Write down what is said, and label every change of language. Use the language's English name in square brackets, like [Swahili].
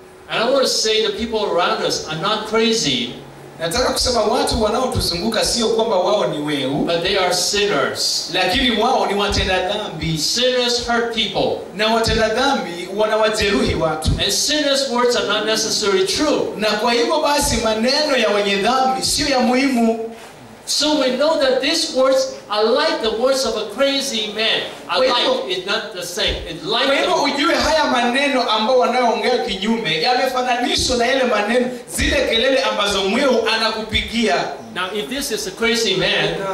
[English] And I want to say the people around us are not crazy. [Swahili] Nataka kusema watu wanaotuzunguka sio kwamba wao ni wewe. [English] But they are sinners. [Swahili] Lakini wao ni watenda dhambi. [English] Sinners hurt people. [Swahili] Na watenda dhambi wanawajeruhi watu. [English] And sinners' words are not necessarily true. [Swahili] Na kwa hivyo basi maneno ya wenye dhambi sio ya muhimu. [English] So we know that these words are like the words of a crazy man. Alike is not the same. It's like. [Swahili] Kwa hivyo ujue haya maneno ambayo wanayoongea kinyume yamefananishwa na ile maneno zile kelele ambazo mwewe anakupigia. [English] Now if this is a crazy man,